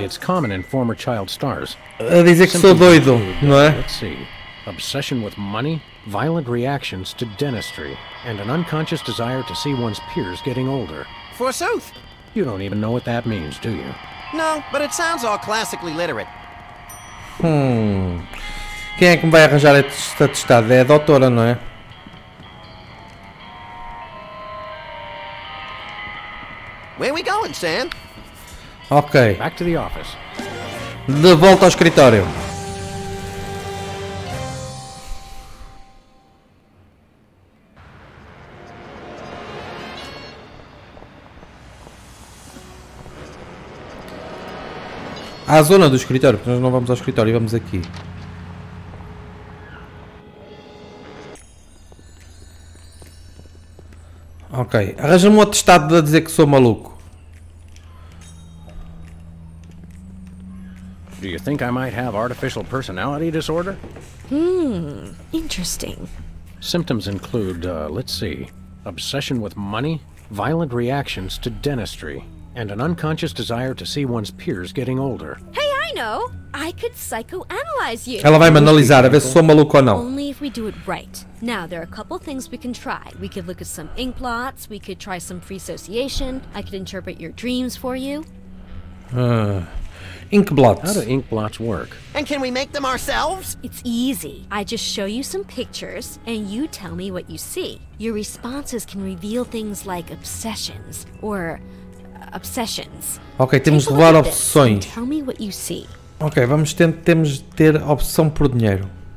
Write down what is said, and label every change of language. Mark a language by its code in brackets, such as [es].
[en] It's common in former child stars. [pt] A dizer que sou doido, não é? [en] Let's see. Obsession with money, violent reactions to dentistry, and an unconscious desire to see one's peers getting older. Forsooth! You don't even know what that means, do you? No, but it sounds all classically literate. [pt] Quem é que me vai arranjar este atestado? É a doutora, não é? [en] Where are we going, Sam? Ok. Back to the office. [pt] De volta ao escritório. À zona do escritório, porque nós não vamos ao escritório, vamos aqui. Ok, arranja-me um atestado de dizer que sou maluco. [en] Do you think I might have artificial personality disorder? Interesting. Symptoms include, let's see, obsession with money, violent reactions to dentistry, and an unconscious desire to see one's peers getting older. Hey, I know. I could psychoanalyze you. [pt] Ela vai me analisar a ver se sou maluco ou não. [en] Only if we do it right. Now, there are a couple things we can try. We could look at some ink blots, we could try some free association, I could interpret your dreams for you. Ink blots. How do ink blots work? And can we make them ourselves? It's easy. I just show you some pictures, and you tell me what you see. Your responses can reveal things like obsessions, or... obsessions. [pt] Ok, temos de levar opções. [en] Tell me what you see. [pt] Ok, vamos temos de ter opção por dinheiro.